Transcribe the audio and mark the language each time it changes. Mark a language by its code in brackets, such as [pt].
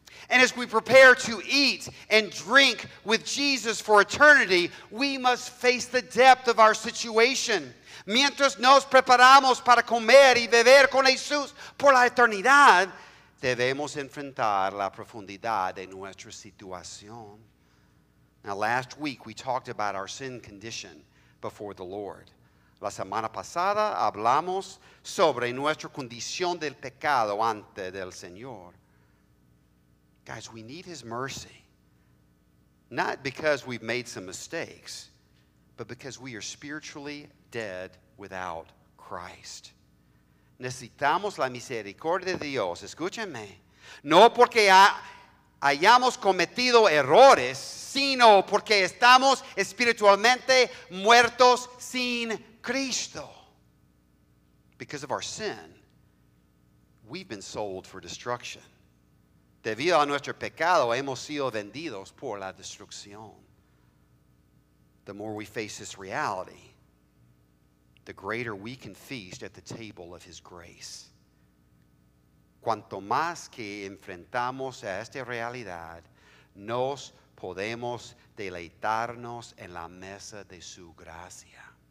[en] And as we prepare to eat and drink with Jesus for eternity, we must face the depth of our situation. [es] Mientras nos preparamos para comer y beber con Jesús por la eternidad, debemos enfrentar la profundidad de nuestra situación. [en] Now, last week we talked about our sin condition before the Lord. [es] La semana pasada hablamos sobre nuestra condición del pecado ante del Señor. [en] Guys, we need His mercy. Not because we've made some mistakes, but because we are spiritually dead without Christ. [es] Necesitamos la misericordia de Dios. Escúchenme. No porque hayamos cometido errores, sino porque estamos espiritualmente muertos sin Cristo. [en] Because of our sin, we've been sold for destruction. [es] Debido a nuestro pecado, hemos sido vendidos por la destrucción. [en] The more we face this reality, the greater we can feast at the table of His grace. [es] Cuanto más que enfrentamos a esta realidad, nos podemos deleitarnos en la mesa de su gracia.